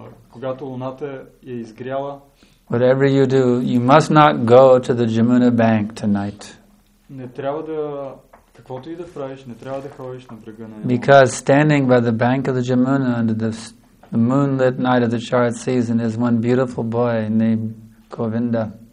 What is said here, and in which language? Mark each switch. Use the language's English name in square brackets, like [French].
[Bulgarian] Когато луната е изгряла. [English] Whatever you do, you must not go to the Jamuna bank tonight. [Bulgarian] Не трябва да, каквото и да правиш, не трябва да ходиш на брега на. [English] Because standing by the bank of the Jamuna under the moonlit night of the Charit season is one beautiful boy named Govinda.